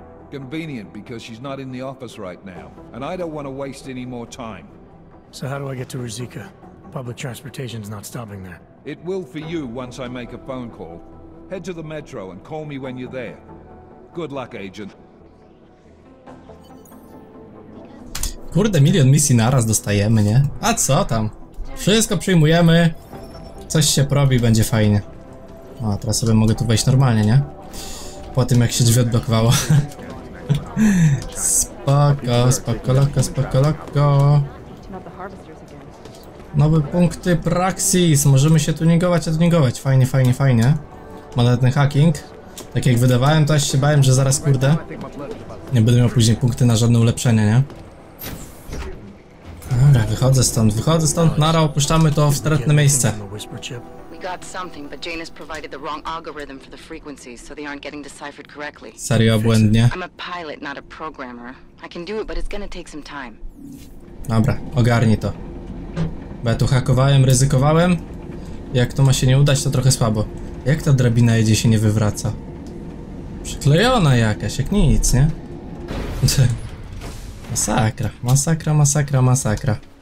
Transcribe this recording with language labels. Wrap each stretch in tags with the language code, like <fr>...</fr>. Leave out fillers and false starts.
<en>Convenient, because she's not in the office right now, and I don't want to waste any more time. So how do I get to Rizika? Public transportation's not stopping there. It will for you once I make a phone call. Head to the metro and call me when you're there. Good luck, agent.</en> <pl>Kurde, milion misji naraz dostajemy, nie? A co tam? Wszystko przyjmujemy. Coś się probi, będzie fajnie. O, teraz sobie mogę tu wejść normalnie, nie? Po tym, jak się drzwi odblokowało. Spoko, spoko, loko, spoko, loko. Nowe punkty Praxis. Możemy się tuningować, odtuningować. Fajnie, fajnie, fajnie. Monetny hacking. Tak jak wydawałem, to aż się bałem, że zaraz, kurde, nie będę miał później punkty na żadne ulepszenie, nie? Dobra, wychodzę stąd, wychodzę stąd. Nara, opuszczamy to w stratne miejsce.</pl> <en>Got something, but Jane has provided the wrong algorithm for the frequencies, so they aren't getting deciphered correctly.</en> <pl>Serio, błędnie.</pl> <en>I'm a pilot, not a programmer. I can do it, but it's gonna take some time.</en> <pl>Dobra, ogarnij to. Bo ja tu hakowałem, ryzykowałem. Jak to ma się nie udać, to trochę słabo. Jak ta drabina jedzie, się nie wywraca? Przyklejona jakaś, jak nic, nie? Masakra, masakra, masakra, masakra.</pl>